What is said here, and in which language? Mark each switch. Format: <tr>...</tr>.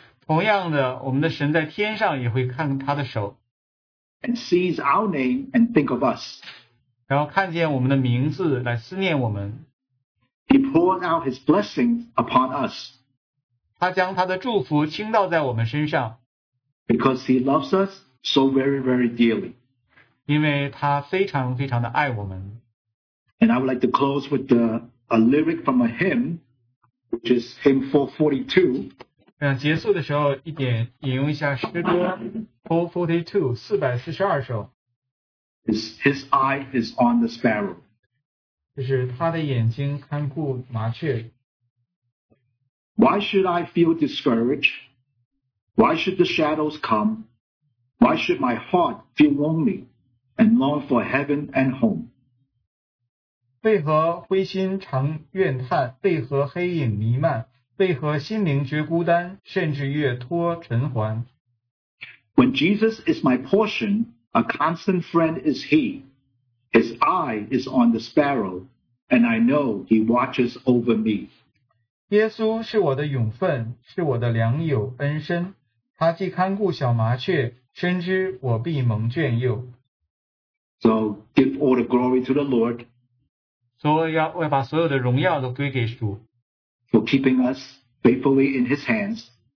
<zh>同样的，我们的神在天上也会看他的手。</zh> <en>And sees our name and think of us.</en> <zh>然后看见我们的名字来思念我们。</zh> <en>He poured out his blessings upon us.</en> <zh>他将他的祝福倾倒在我们身上。</zh> <en>Because he loves us so very, very dearly.</en> <zh>因为他非常非常的爱我们。</zh> <en>And I would like to close with a lyric from a hymn, which is hymn 442.</en> <zh>让结束的时候一点引用一下诗歌 442, 442首。</zh> <en>His eye is on the sparrow.</en> <zh>就是他的眼睛看顾麻雀。</zh> <en>Why should I feel discouraged? Why should the shadows come? Why should my heart feel lonely and long for heaven and home?</en> <zh>为何灰心常怨叹？为何黑影弥漫？为何心灵觉孤单，甚至越脱尘寰</zh> <en>？When Jesus is my portion, a constant friend is He. His eye is on the sparrow, and I know He watches over me.</en> <zh>耶稣是我的永分，是我的良友恩深。他既看顾小麻雀，深知我必蒙眷佑。</zh> <en>So give all the glory to the Lord.</en> <zh>所以要把所有的荣耀都归给主。</zh> <en>For keeping us faithfully in His hands,</en>